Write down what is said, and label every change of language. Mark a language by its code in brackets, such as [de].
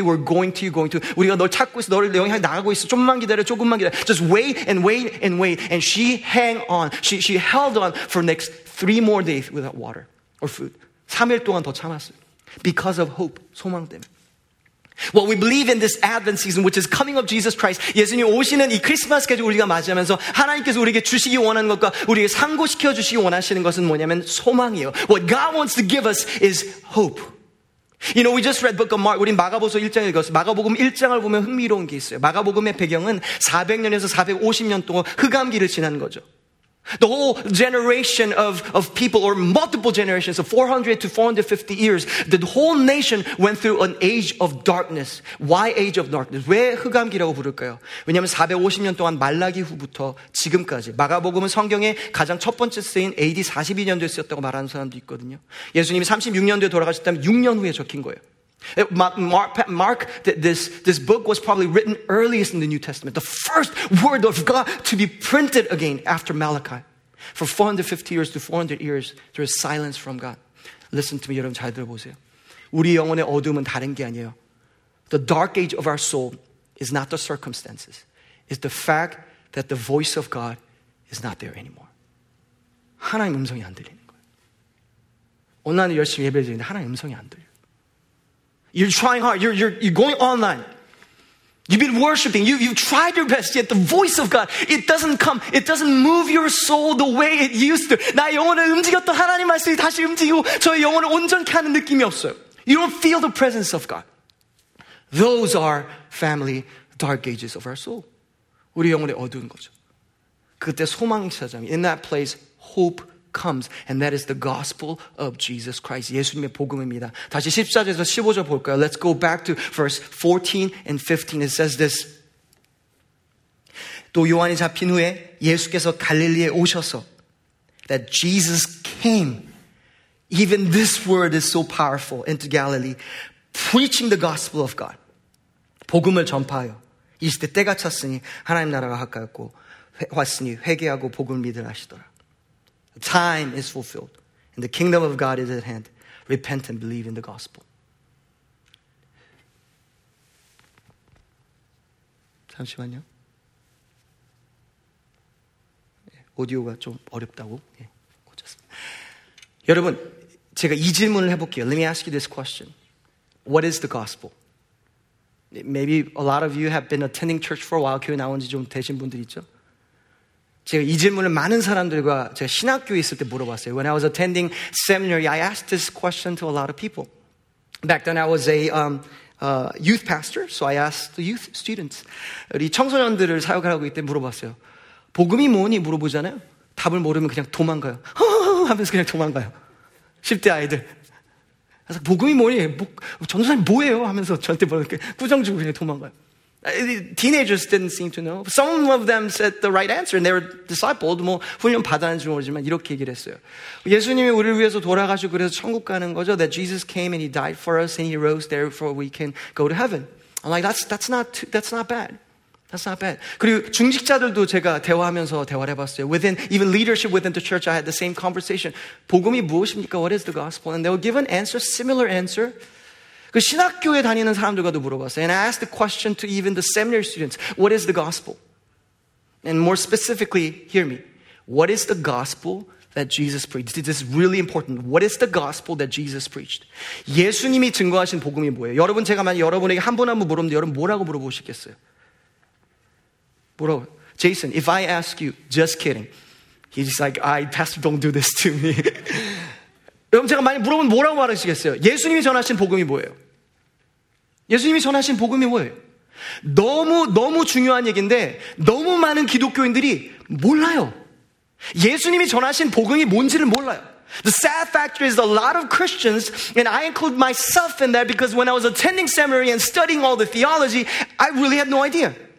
[ko] 우리가 널 찾고 있어, 너를 향해 나가고 있어. 조금만 기다려, 조금만 기다려. [en] Just wait. And she hang on. She held on for next 3 more days without water or food. [ko] 3일 동안 더 참았어요. [en] Because of hope, [ko] 소망 때문에. [en] What we believe in this Advent season, which is coming of Jesus Christ, [ko] 예수님 오시는 이 크리스마스까지 우리가 맞이하면서 하나님께서 우리에게 주시기 원하는 것과 우리에게 상고시켜 주시기 원하시는 것은 뭐냐면 소망이에요. [en] What God wants to give us is hope. You know, we just read the book of Mark. [ko] 우린 마가복음 1장 읽었어요. 마가복음 1장을 보면 흥미로운 게 있어요. 마가복음의 배경은 400년에서 450년 동안 흑암기를 지난 거죠. [en] The whole generation of people, or multiple generations, of 400 to 450 years, the whole nation went through an age of darkness. Why age of darkness? [ko] 왜 흑암기라고 부를까요? 왜냐하면 450년 동안 말라기 후부터 지금까지 마가복음은 성경에 가장 첫 번째 쓰인 AD 42년도에 쓰였다고 말하는 사람도 있거든요. 예수님이 36년도에 돌아가셨다면 6년 후에 적힌 거예요. [en] Mark, this book was probably written earliest in the New Testament. The first word of God to be printed again after Malachi. For 450 years to 400 years, there is silence from God. Listen to me, [ko] 여러분 잘 들어보세요. 우리 영혼의 어둠은 다른 게 아니에요. [en] The dark age of our soul is not the circumstances. It's the fact that the voice of God is not there anymore. [ko] 하나님 음성이 안 들리는 거예요. 온라인 열심히 예배 드리는데 하나님 음성이 안 들려요. [en] You're trying hard. You're going online. You've been worshiping. You've tried your best, yet the voice of God, it doesn't come. It doesn't move your soul the way it used to. [ko] 나 영혼을 움직였던 하나님 말씀이 다시 움직이고 저의 영혼을 온전케 하는 느낌이 없어요. [en] You don't feel the presence of God. Those are family dark ages of our soul. [ko] 우리 영혼의 어두운 거죠. 그때 소망이 찾아요. [en] In that place, hope comes, and that is the gospel of Jesus Christ. [ko] 예수님의 복음입니다. 다시 14절에서 15절 볼까요? [en] Let's go back to verse 14 and 15. It says this. [ko] 또 요한이 잡힌 후에 예수께서 갈릴리에 오셔서 [en] that Jesus came. Even this word is so powerful into Galilee. Preaching the gospel of God. [ko] 복음을 전파하여. 이시대 때가 찼으니 하나님 나라가 가까웠고 왔으니 회개하고 복음을 믿으라 하시더라. [en] The time is fulfilled, and the kingdom of God is at hand. Repent and believe in the gospel. [ko] 잠시만요. 오디오가 좀 어렵다고 고쳤습니다. 여러분, 제가 이 질문을 해볼게요. [en] Let me ask you this question. What is the gospel? Maybe a lot of you have been attending church for a while. [ko] 교회 나온 지 좀 되신 분들 있죠? 제가 이 질문을 많은 사람들과 제가 신학교에 있을 때 물어봤어요. [en] When I was attending seminary, I asked this question to a lot of people. Back then I was a youth pastor, so I asked the youth students. [ko] 우리 청소년들을 사역을 하고 있을 때 물어봤어요. 복음이 뭐니? 물어보잖아요. 답을 모르면 그냥 도망가요. 하면서 그냥 도망가요. 10대 아이들. 그래서 복음이 뭐니? 전도사님 뭐예요? 하면서 저한테 뭐라고 꾸정 주고 그냥 도망가요. [en] Teenagers didn't seem to know. Some of them said the right answer, and they were discipled. [ko] 뭐 훈련 받았는지 모르지만 이렇게 얘기를 했어요. 예수님이 우리를 위해서 돌아가시고 그래서 천국 가는 거죠. [en] That Jesus came and He died for us, and He rose, therefore we can go to heaven. I'm like that's not bad. [ko] 그리고 중직자들도 제가 대화하면서 대화를 해봤어요. [en] Within even leadership within the church, I had the same conversation. [ko] 복음이 무엇입니까? [en] What is the gospel? And they would give an answer, similar answer. [ko] 그 신학교에 다니는 사람들과도 물어봤어요. [en] And I asked the question to even the seminary students. What is the gospel? And more specifically, hear me. What is the gospel that Jesus preached? This is really important. What is the gospel that Jesus preached? [ko] 예수님이 증거하신 복음이 뭐예요? 여러분 제가 만약 여러분에게 한 분 한 분 물어보는데 여러분 뭐라고 물어보시겠어요? 뭐라고? [en] Jason, if I ask you, just kidding. He's like, Pastor, don't do this to me. [ko] 여러분 제가 많이 물어보면 뭐라고 말하시겠어요? 예수님이 전하신 복음이 뭐예요? 예수님이 전하신 복음이 뭐예요? 너무 너무 중요한 얘기인데 너무 많은 기독교인들이 몰라요. 예수님이 전하신 복음이 뭔지를 몰라요. [en] The sad fact is a lot of Christians, and I include myself in that because when I was attending seminary and studying all the theology, I really had no idea.